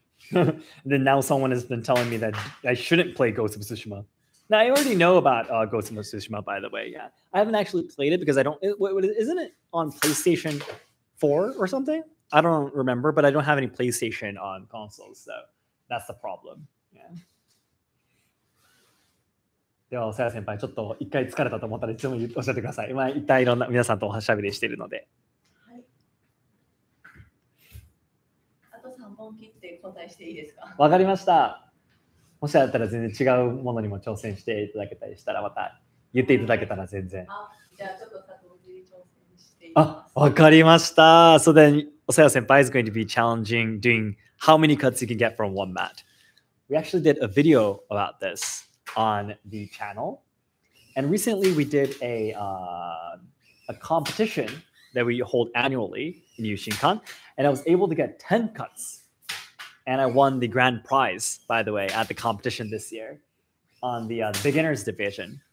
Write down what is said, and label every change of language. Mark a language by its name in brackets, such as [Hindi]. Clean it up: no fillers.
[English] Then now someone has been telling me that I shouldn't play Ghost of Tsushima. Now I already know about Ghost of Tsushima, by the way. Yeah, I haven't actually played it because I don't. Isn't it on PlayStation 4 or something? I don't remember, but I don't have any PlayStation on consoles, so that's the problem. [Japanese] では、おさや先輩、ちょっと一回疲れたと思ったら、いつも教えてください。今、一旦いろんな皆さんとおしゃべりしているので。はい。あと3本切って交代していいですか？わかりました。もしあったら全然違うものにも挑戦していただけたりしたら、また言っていただけたら全然。はい、あ、じゃあちょっと多分に挑戦していきます。あ、わかりました。 [English] So then, Osaya senpai is going to be challenging doing how many cuts you can get from one mat. We actually did a video about this. On the channel, and recently we did a competition that we hold annually in Yushinkan, and I was able to get 10 cuts, and I won the grand prize, by the way, at the competition this year on the beginners division.